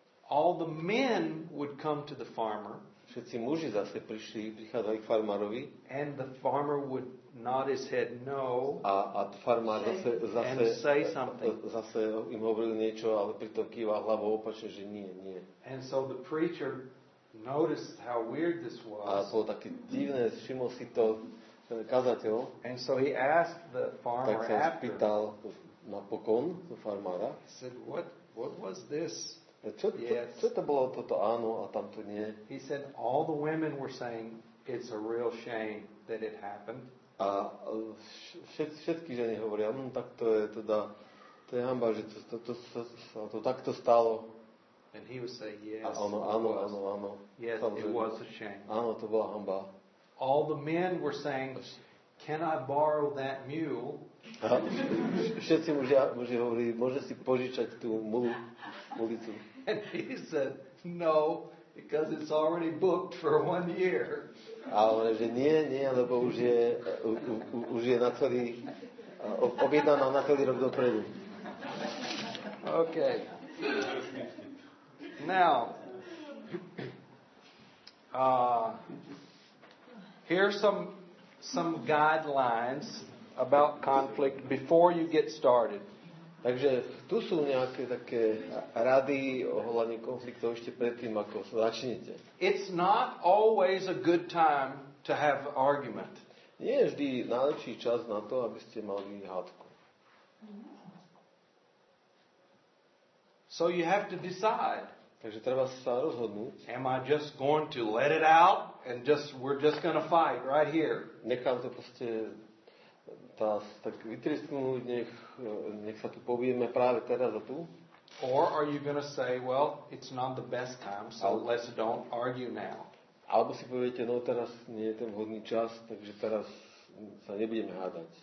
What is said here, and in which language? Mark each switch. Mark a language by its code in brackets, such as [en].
[en] All the men would come to the farmer. [sk] Všetci muži zase prišli, prichádzali k farmárovi. [en] And the farmer would nod his head no. [sk] A farmár zase im hovoril niečo, ale pritom kýval hlavou opačne, že nie, nie. [en] And so the preacher noticed how weird this was. [sk] A bolo také divné, všimol si to ten kazateľ. [en] And so he asked the farmer after. [sk] Tak sa spýtal napokon toho farmára. [en] He said, what was this? [sk] Čo to bolo toto áno a tamto nie? [en] He said, all the women were saying, it's a real shame that it happened. [sk] A všetky ženy hovoria, tak to je teda, to je hamba, že to takto stalo. [en] And he would say, yes, [sk] áno, áno, áno, áno. [en] Yes, [sk] samozrejme. [en] It was a shame. [sk] Áno, to bola hamba. [en] All the men were saying, can I borrow that mule? [sk] Všetci muži hovorili, môže si požičať tú mulicu. [en] And he said, no, because it's already booked for one year. [sk] A on že nie, nie, lebo už je na celý, objednaná na celý rok dopredu. [en] Okay. Now, here are some guidelines about conflict before you get started. [sk] Takže tu sú nejaké také rady ohľadne konfliktov ešte predtým, ako začnete. [en] It's not always a good time to have argument. [sk] Nie je vždy najlepší čas na to, aby ste mali hádku. [en] So you have to decide. [sk] Takže treba sa rozhodnúť. [en] Am I just going to let it out and just we're just going to fight right here? [sk] Nechám to proste tak vytrysknúť, nech sa tu pobijeme práve teraz a tu. [en] Or are you going to say, well, it's not the best time, so let's don't argue now. [sk] Alebo si poviete, no teraz nie je ten vhodný čas, takže teraz sa nebudeme hádať.